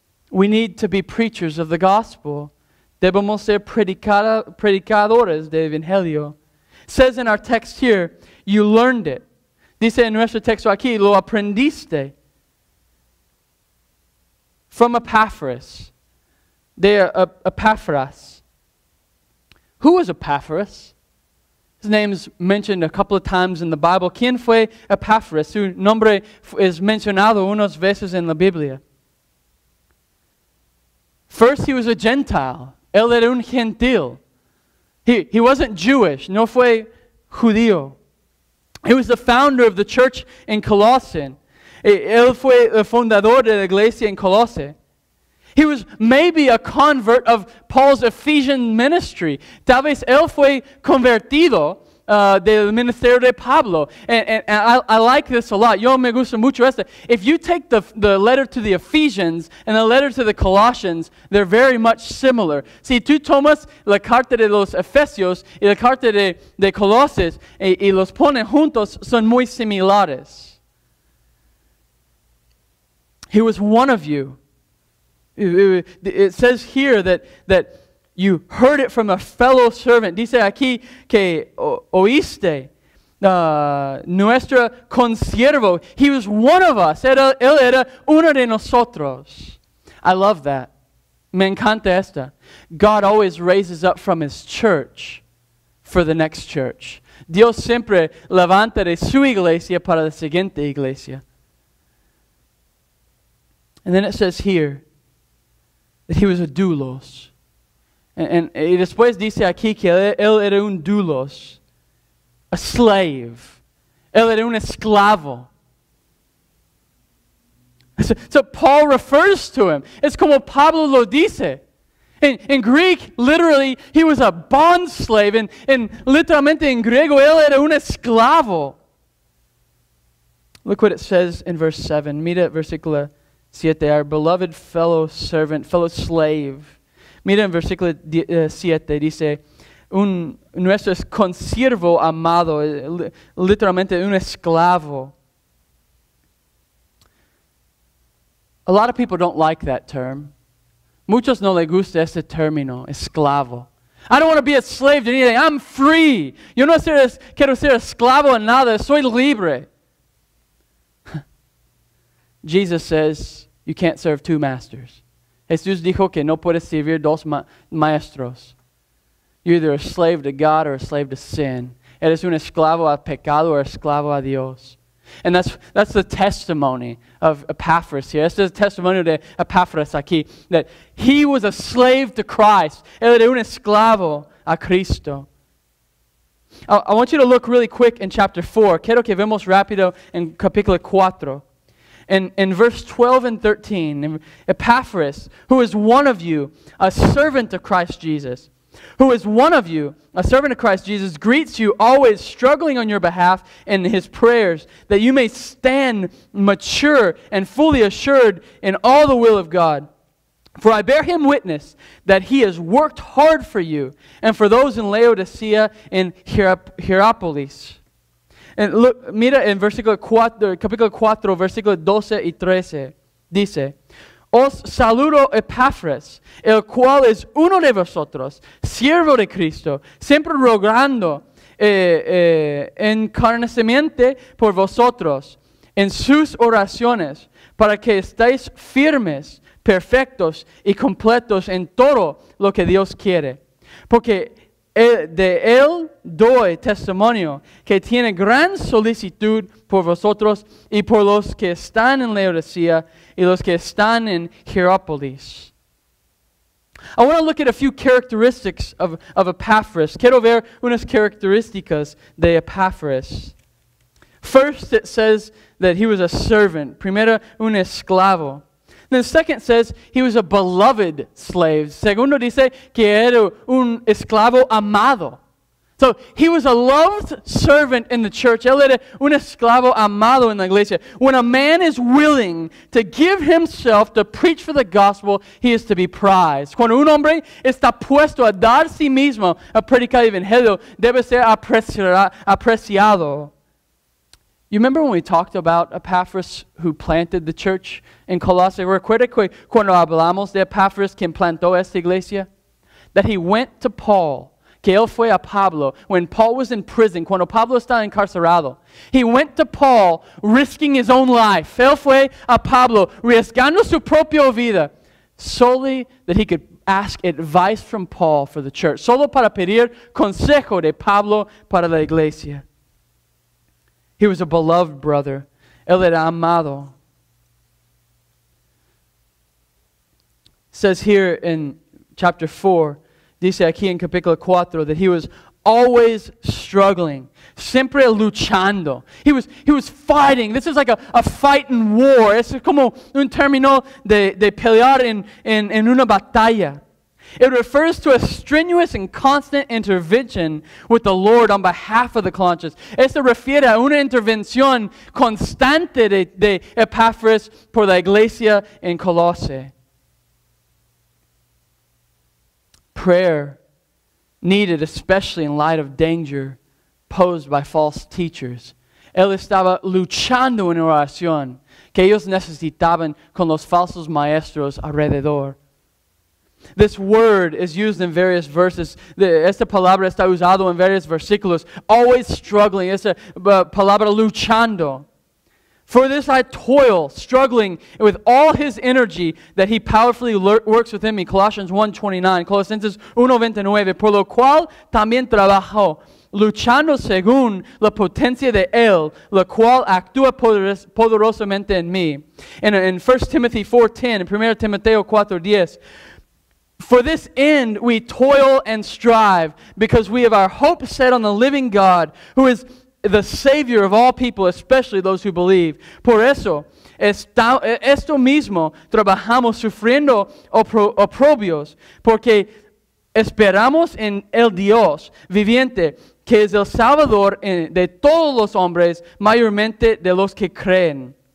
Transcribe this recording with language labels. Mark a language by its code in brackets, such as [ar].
[en] We need to be preachers of the gospel. [es] Debemos ser predicadores del Evangelio. [en] It says in our text here, you learned it. [es] Dice en nuestro texto aquí, lo aprendiste [en] from Epaphras. Epaphras. Who was Epaphras? His name is mentioned a couple of times in the Bible. [es] ¿Quién fue Epaphras? Su nombre es mencionado unas veces en la Biblia. [en] First, he was a Gentile. [es] Él era un gentil. [en] He wasn't Jewish. [es] No fue judío. [en] He was the founder of the church in Colossae. [es] Él fue el fundador de la iglesia en Colosse. [en] He was maybe a convert of Paul's Ephesian ministry. [es] Tal vez él fue convertido del ministerio de Pablo. [en] And I like this a lot. [es] Yo me gusta mucho esto. [en] If you take the letter to the Ephesians and the letter to the Colossians, they're very much similar. [es] Si tú tomas la carta de los Efesios y la carta de Colosses y los pones juntos, son muy similares. [en] He was one of you. It says here that you heard it from a fellow servant. [es] Dice aquí que oíste nuestro consiervo. [en] He was one of us. [es] Él era uno de nosotros. [en] I love that. [es] Me encanta esta. [en] God always raises up from his church for the next church. [es] Dios siempre levanta de su iglesia para la siguiente iglesia. [en] And then it says here that he was a doulos. [es] And y después dice aquí que él era un doulos, [en] a slave. [es] Él era un esclavo. [en] So Paul refers to him. [es] Es como Pablo lo dice. [en] In Greek, literally, he was a bond slave. [es] And literalmente en griego, él era un esclavo. [en] Look what it says in verse 7. [es] Mira versículo 7. [en] Our beloved fellow servant, fellow slave. [es] Mira en versículo 7, dice, nuestro consiervo amado, literalmente un esclavo. [en] A lot of people don't like that term. [es] Muchos no le gusta ese término, esclavo. [en] I don't want to be a slave to anything. I'm free. [es] Yo no quiero ser esclavo en nada. Soy libre. [en] Jesus says, you can't serve two masters. [es] Jesús dijo que no puedes servir dos maestros. [en] You're either a slave to God or a slave to sin. [es] Eres un esclavo a pecado or esclavo a Dios. [en] And that's the testimony of Epaphras here. [es] Este es el testimonio de Epaphras aquí. [en] That he was a slave to Christ. [es] Él era un esclavo a Cristo. [en] I want you to look really quick in chapter 4. [es] Quiero que vemos rápido en capítulo 4. [en] In verse 12 and 13, Epaphras, who is one of you, a servant of Christ Jesus, who is one of you, a servant of Christ Jesus, greets you always struggling on your behalf in his prayers, that you may stand mature and fully assured in all the will of God. For I bear him witness that he has worked hard for you and for those in Laodicea and Hierapolis. And look, [es] mira en versículo 4, capítulo 4, versículo 12 y 13, dice, Os saludo Epaphras, el cual es uno de vosotros, siervo de Cristo, siempre rogando encarnadamente por vosotros en sus oraciones, para que estéis firmes, perfectos y completos en todo lo que Dios quiere. Porque de él doy testimonio que tiene gran solicitud por vosotros y por los que están en Laodicea y los que están en Hierápolis. [en] I want to look at a few characteristics of Epaphras. [es] Quiero ver unas características de Epaphras. [en] First, it says that he was a servant. [es] Primero, un esclavo. [en] Then second says he was a beloved slave. [es] Segundo dice que era un esclavo amado. [en] So he was a loved servant in the church. [es] Él era un esclavo amado en la iglesia. [en] When a man is willing to give himself to preach for the gospel, he is to be prized. [es] Cuando un hombre está puesto a dar sí mismo a predicar el evangelio, debe ser apreciado. [en] You remember when we talked about Epaphras who planted the church in Colossae? [es] Recuerda que cuando hablamos de Epaphras quien plantó esta iglesia? [en] That he went to Paul. [es] Que él fue a Pablo. [en] When Paul was in prison, [es] cuando Pablo estaba encarcerado, [en] he went to Paul risking his own life. [es] Él fue a Pablo riesgando su propia vida [en] solely that he could ask advice from Paul for the church. [es] Solo para pedir consejo de Pablo para la iglesia. [en] He was a beloved brother. [es] Él era amado. [en] Says here in chapter 4, [es] dice aquí en capítulo 4, [en] that he was always struggling. [es] Siempre luchando. [en] He was fighting. This is like a fight in war. [es] Es como un término de pelear en una batalla. [en] It refers to a strenuous and constant intervention with the Lord on behalf of the Colossians. [es] Esto refiere a una intervención constante de Epaphras por la iglesia en Colosse. [en] Prayer needed, especially in light of danger posed by false teachers. [es] Él estaba luchando en oración que ellos necesitaban con los falsos maestros alrededor. [en] This word is used in various verses. [es] Esta palabra está usado en varios versículos. [en] Always struggling. [es] Esta palabra luchando. [en] For this I toil, struggling with all his energy that he powerfully works within me. Colossians 1:29. Colosenses 1:29. [es] Por lo cual también trabajo, luchando según la potencia de él, la cual actúa poderosamente en me. [en] In 1 Timothy 4:10, in 1 Timoteo 4:10, for this end we toil and strive, because we have our hope set on the living God, who is the Savior of all people, especially those who believe. [es] Por eso, esto mismo trabajamos sufriendo oprobios, porque esperamos en el Dios viviente, que es el Salvador de todos los hombres, mayormente de los que creen.